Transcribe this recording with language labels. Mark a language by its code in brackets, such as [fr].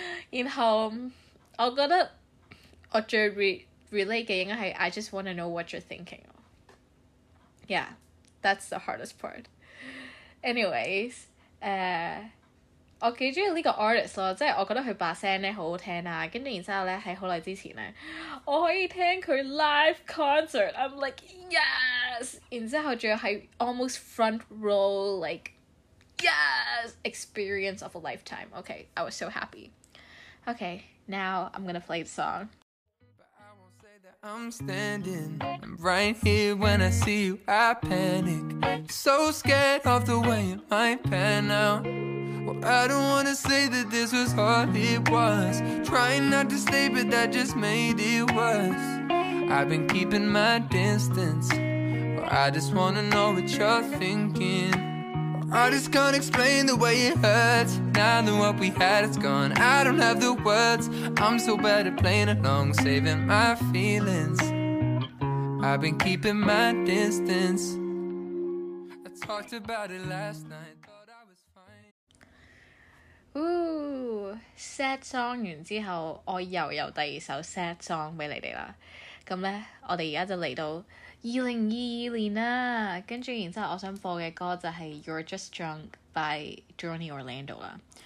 [yue] 然後我覺得我最 relate 嘅應該係 [en] I just wanna know what you're thinking. Yeah, that's the hardest part. [yue] Anyways, 我幾中意呢個 artist 咯，即係我覺得佢把聲咧好好聽啊。跟住然之後咧喺好耐之前咧，我可以聽佢 live concert， [en] I'm like yes。 [yue] 然之後仲要係 [en] almost front row like yes experience of a lifetime。 Okay， I was so happy。 Okay， now I'm gonna play the song。 I'm standing right here when I see you. I panic, so scared of the way you might pan out. I don't wanna say that this was hard, it was. Trying not to stay, but that just made it worse. I've been keeping my distance. I just wanna know what you're thinking. I just can't explain the way it hurts. Now that what we had is gone, I don't have the words. I'm so bad at playing along, saving my feelings. I've been keeping my distance. I talked about it last night, thought I was fine. [yue] Ooh, sad song 完之後，我又有第二首 sad song 俾你哋啦。咁咧，我哋而家就嚟到2022年啦，跟住然之後我想播嘅歌就係 You're Just Drunk by Johnny Orlando 啦。